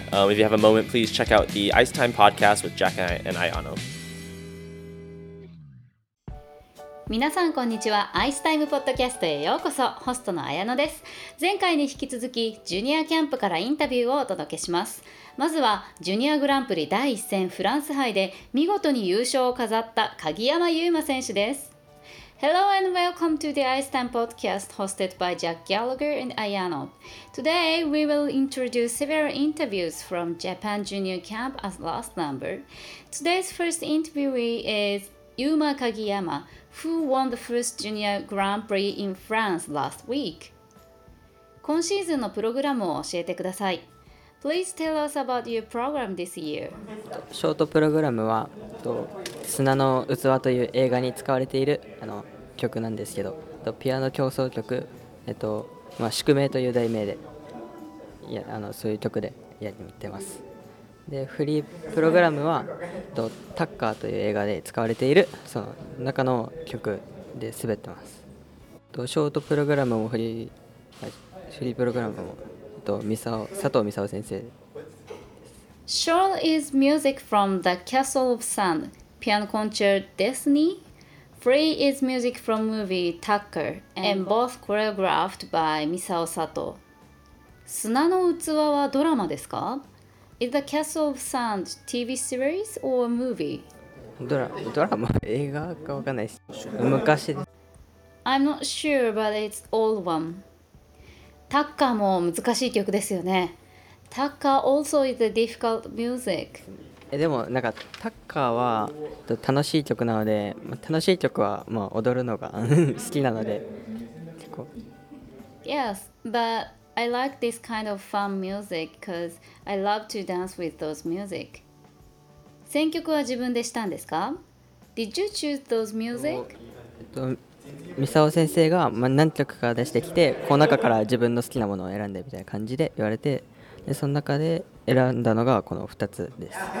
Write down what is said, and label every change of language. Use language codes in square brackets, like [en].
[en] If you have a moment, please check out the Ice Time podcast with Jack and Ayano. [ja] 皆さんこんにちは。アイスタイムポッドキャストへようこそ。ホストの彩乃です。前回に引き続き、ジュニアキャンプからインタビューをお届けします。まずは、ジュニアグランプリ第1戦フランス杯で見事に優勝を飾った鍵山優真選手です。 [en] Hello and welcome to the Ice Time podcast hosted by Jack Gallagher and Ayano. Today, we will introduce several interviews from Japan Junior Camp as last number. Today's first interviewee is Yuma Kagiyama,who won the first Junior Grand Prix in France last week. [ja] 今シーズンのプログラムを教えてください。 [en] Please tell us about your program this year. [ja] ショートプログラムは、砂の器という映画に使われている曲なんですけど、ピアノ協奏曲、宿命という題名で、そういう曲でやってます。でフリープログラムはタッカーという映画で使われているその中の曲で滑ってます。ショートプログラムもフリープログラムも佐藤美沙先生です。 [en] Short is music from The Castle of Sand, Piano Concert Destiny. Free is music from movie Tucker, and both choreographed by 美沙佐藤。 [ja] 砂の器はドラマですか？ [en] Is the Castle of Sand TV series or a movie? [ja] ドラマ映画かわかんないし、昔です。 [en] I'm not sure, but it's old one. [ja] タッカーも難しい曲ですよね。 [en] タッカー also is a difficult music. [ja] でもなんかタッカーは楽しい曲なので、楽しい曲はまあ踊るのが好きなので、結構。 [en] Yes, but... I like this kind of fun music because I love to dance with those music. [ja] 選曲は自分でしたんですか? [en] Did you choose those music? [ja] 美沙先生が何曲か出してきて、この中から自分の好きなものを選んでみたいな感じで言われて、でその中で選んだのがこの2つです。